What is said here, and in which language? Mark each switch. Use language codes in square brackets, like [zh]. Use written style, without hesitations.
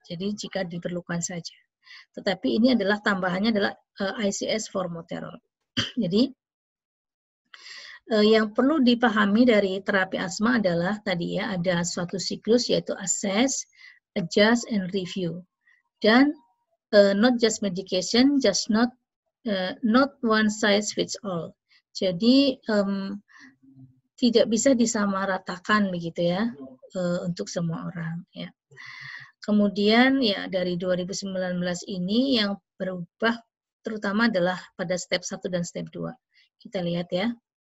[id] Jadi jika diperlukan saja. Tetapi ini adalah tambahannya adalah ICS formoterol. Jadi yang perlu dipahami dari terapi asma adalah tadi ya ada suatu siklus yaitu [en] assess, adjust, and review. [id] Dan [en] not just medication, just not not one size fits all. [id] Jadi tidak bisa disamaratakan begitu ya untuk semua orang. Ya. Kemudian ya dari 2019 ini yang berubah terutama adalah pada step 1 dan step 2. Kita lihat ya.